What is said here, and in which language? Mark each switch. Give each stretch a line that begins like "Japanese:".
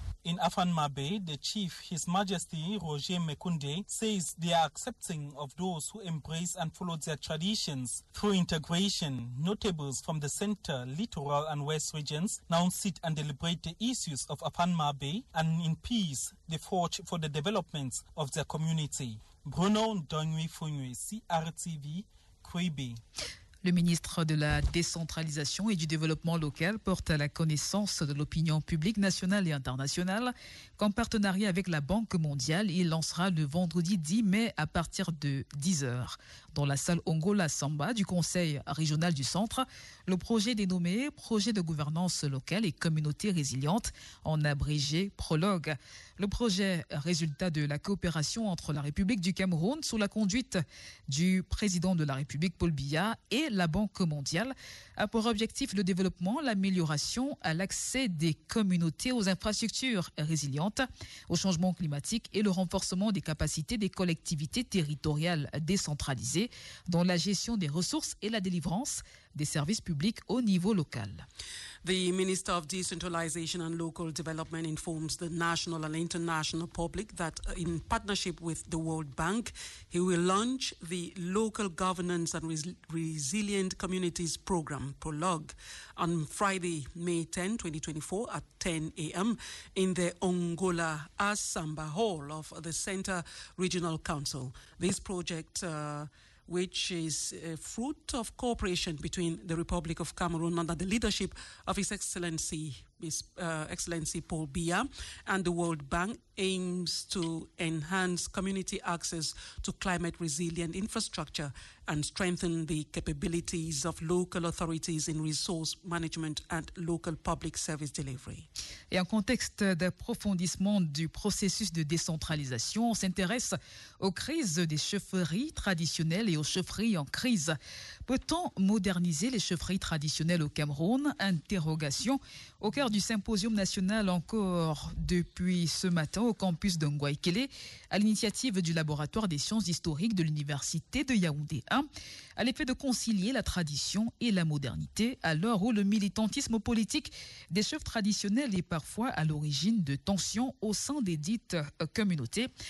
English: In Afanmabe, the chief, His Majesty Roger Mekunde, says they are accepting of those who embrace and follow their traditions. Through integration, notables from the center, littoral and west regions now sit and deliberate the issues of Afanmabe, and in peace, they forge for the development of their community. Bruno Ndonwi Funwe, CRTV, Kribi.
French: Le ministre de la décentralisation et du développement local porte à la connaissance de l'opinion publique nationale et internationale qu'en partenariat avec la Banque mondiale, il lancera le vendredi 10 mai à partir de 10h. Dans la salle Ongola Samba du Conseil régional du Centre, le projet dénommé « Projet de gouvernance locale et communauté résiliente » en abrégé prologue. Le projet résultat de la coopération entre la République du Cameroun sous la conduite du président de la République Paul Biya et la Banque mondiale a pour objectif le développement, l'amélioration à l'accès des communautés aux infrastructures résilientes, au changement climatique et le renforcement des capacités des collectivités territoriales décentralisées dans la gestion des ressources et la délivrance des services publics au niveau local.
English: The Minister of Decentralization and Local Development informs the national and international public that in partnership with the World Bank, he will launch the Local Governance and Resilient Communities Program, PROLOG, on Friday, May 10, 2024 at 10 a.m. in the Ongola Asamba Hall of the Center Regional Council. This project which is a fruit of cooperation between the Republic of Cameroon under the leadership of His Excellency Paul Biya and the World Bank, aims to enhance community access to climate-resilient infrastructure and strengthen the capabilities of local authorities in resource management and local public service delivery.
French: Et en contexte d'approfondissement du processus de décentralisation, on s'intéresse aux crises des chefferies traditionnelles et aux chefferies en crise. Peut-on moderniser les chefferies traditionnelles au Cameroun? Interrogation au cœur du symposium national encore depuis ce matin au campus de Ngouaïkélé, à l'initiative du laboratoire des sciences historiques de l'université de Yaoundé 1, à l'effet de concilier la tradition et la modernité à l'heure où le militantisme politique des chefs traditionnels est parfois à l'origine de tensions au sein des dites communautés.